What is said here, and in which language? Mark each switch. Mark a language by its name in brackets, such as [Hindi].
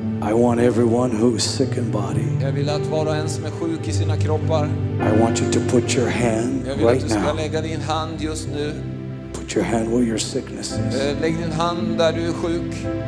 [English] I want everyone who is sick in body. [Swedish] Jag vill att var och en som är sjuk i sina kroppar. [English] I want you to put your hand right now. [Swedish] Jag vill att du ska lägga din hand just nu. [English] Put your hand where your sickness is. [Swedish] Lägg din hand där du är sjuk.